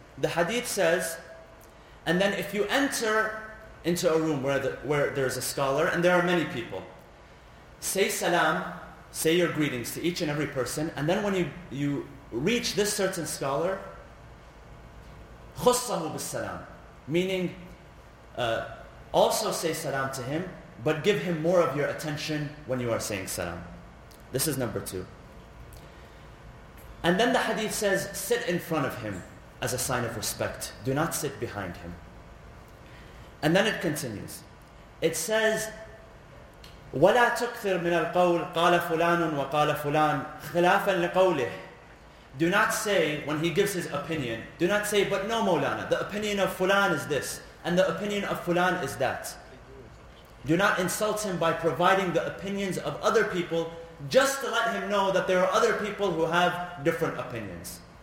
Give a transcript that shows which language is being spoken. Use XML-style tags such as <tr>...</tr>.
<en>The hadith says, and then if you enter into a room where there's a scholar, and there are many people, say salam, say your greetings to each and every person, and then when you reach this certain scholar,</en> <ar>خُصَّهُ بِالسَّلَامِ,</ar> <en>meaning also say salam to him, but give him more of your attention when you are saying salam. This is number two. And then the hadith says, sit in front of him as a sign of respect. Do not sit behind him. And then it continues. It says,</en> <ar>وَلَا تُكْثِرْ مِنَ الْقَوْلِ قَالَ فُلَانٌ وَقَالَ فُلَانٌ خِلَافًا لِقَوْلِهِ.</ar> <en>Do not say, when he gives his opinion, do not say, but no Mawlana, the opinion of Fulan is this, and the opinion of Fulan is that. Do not insult him by providing the opinions of other people, just to let him know that there are other people who have different opinions.</en>